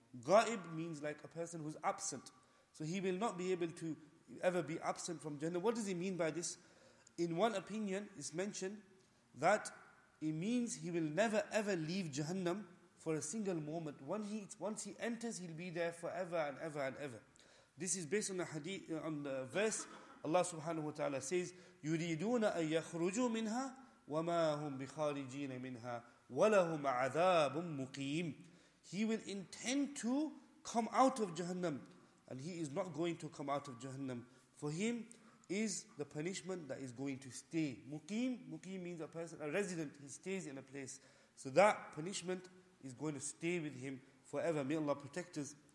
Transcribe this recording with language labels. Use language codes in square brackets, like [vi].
[en] غَائِب means like a person who's absent. So he will not be able to ever be absent from Jahannam. What does he mean by this? In one opinion, it's mentioned that it means he will never ever leave Jahannam for a single moment. Once he enters, he'll be there forever and ever and ever. This is based on the hadith, on the verse. Allah subhanahu wa ta'ala says, [ar] يُرِيدُونَ أَن يَخْرُجُوا مِنْهَا وَمَا هُمْ بِخَارِجِينَ مِنْهَا وَلَهُمْ عَذَابٌ مُقِيمٌ. [en] He will intend to come out of Jahannam, and he is not going to come out of Jahannam. For him is the punishment that is going to stay. Muqeem, muqeem means a person, a resident, he stays in a place. So that punishment is going to stay with him forever. May Allah protect us.